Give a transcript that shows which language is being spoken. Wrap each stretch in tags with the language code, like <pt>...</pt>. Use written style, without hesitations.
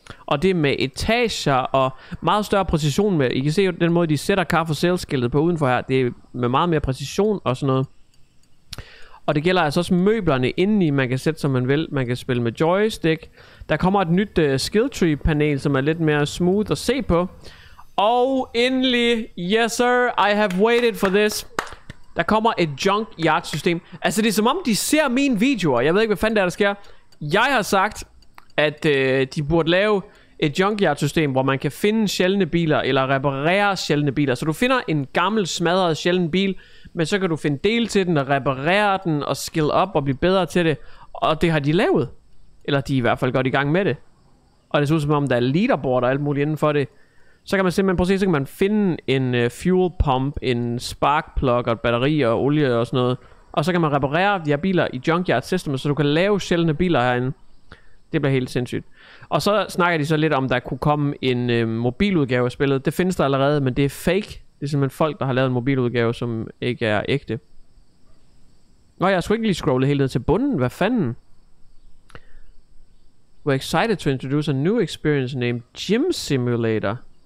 <da>Og det med etager og meget større præcision med. I kan se den måde, de sætter car for sale-skiltet på udenfor her. Det er med meget mere præcision og sådan noget. Og det gælder altså også møblerne indeni. Man kan sætte, som man vil. Man kan spille med joystick. Der kommer et nyt skill tree-panel, som er lidt mere smooth at se på. Og endelig,</da> <en>yes sir, I have waited for this.</en> <da>Der kommer et junkyard-system. Altså det er som om, de ser mine videoer. Jeg ved ikke, hvad fanden der sker. Jeg har sagt, at de burde lave et junkyard-system, hvor man kan finde sjældne biler, eller reparere sjældne biler. Så du finder en gammel, smadret, sjælden bil, men så kan du finde dele til den, og reparere den, og skill op, og blive bedre til det. Og det har de lavet. Eller de er i hvert fald godt i gang med det. Og det ser ud som om, der er leaderboard og alt muligt inden for det. Så kan man simpelthen, prøv at se, så kan man finde en fuel pump, en spark plug og et batteri og olie og sådan noget. Og så kan man reparere de her biler i junkyard systemet, så du kan lave sjældne biler herinde. Det bliver helt sindssygt. Og så snakker de så lidt om, der kunne komme en mobiludgave af spillet. Det findes der allerede, men det er fake. Det er simpelthen folk, der har lavet en mobiludgave, som ikke er ægte. Nå, jeg har sgu ikke lige scrollet helt ned til bunden. Hvad fanden?</da> <en>We're excited to introduce a new experience named Gym Simulator.</en>